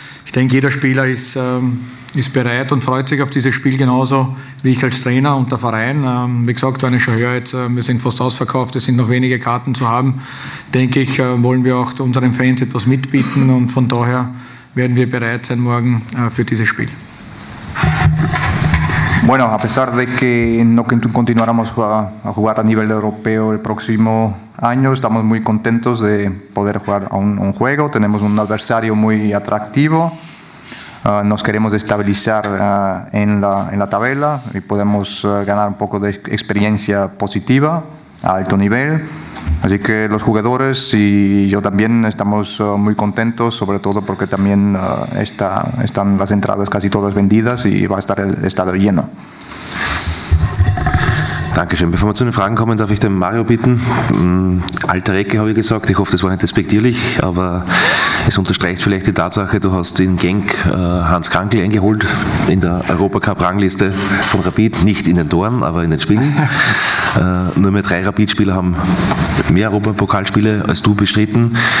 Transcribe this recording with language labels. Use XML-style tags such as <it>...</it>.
<de>Ich denke, jeder Spieler ist bereit und freut sich auf dieses Spiel genauso wie ich als Trainer und der Verein. Wie gesagt, wenn ich schon höre, jetzt, wir sind fast ausverkauft, es sind noch wenige Karten zu haben, denke ich, wollen wir auch unseren Fans etwas mitbieten und von daher werden wir bereit sein morgen für dieses Spiel.</de> <es>Bueno, a pesar de que no continuáramos a jugar a nivel europeo el próximo año, estamos muy contentos de poder jugar a un juego. Tenemos un adversario muy atractivo. Nos queremos estabilizar en la tabla y podemos ganar un poco de experiencia positiva a alto nivel. Así que los jugadores y yo también estamos muy contentos, sobre todo porque también están las entradas casi todas vendidas y va a estar el estadio lleno.</es> <de>Dankeschön. Bevor wir zu den Fragen kommen, darf ich den Mario bitten. Alter Recke, habe ich gesagt. Ich hoffe, das war nicht despektierlich, aber es unterstreicht vielleicht die Tatsache, du hast in Genk Hans Krankl eingeholt in der Europacup-Rangliste von Rapid. Nicht in den Toren, aber in den Spielen. Nur mehr 3 Rapid-Spieler haben mehr Europapokalspiele als du bestritten.</de>